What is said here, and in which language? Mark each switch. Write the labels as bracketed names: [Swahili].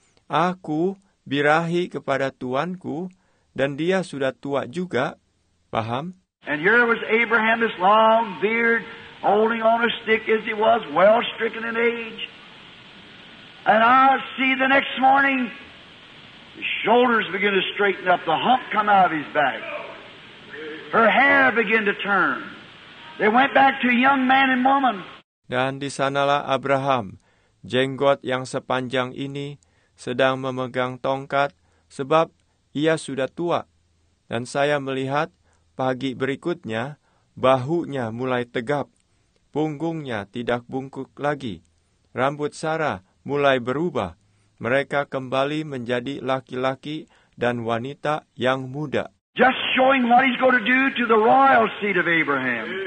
[Indonesian] Aku birahi kepada tuanku, dan dia sudah tua juga. Paham? [English] And here was Abraham, this long beard, holding on a stick as he was, well stricken in age. And I see the next morning, his shoulders begin to straighten up, the hump come out of his back. Her hair begin to turn. They went back to young man and woman. [Indonesian] Dan di sanalah Abraham, jenggot yang sepanjang ini, sedang memegang tongkat, sebab ia sudah tua. Dan saya melihat, pagi berikutnya, bahunya mulai tegap, punggungnya tidak bungkuk lagi, rambut Sarah mulai berubah, mereka kembali menjadi laki-laki dan wanita yang muda. [English] Just showing what he's going to do to the royal seed of Abraham.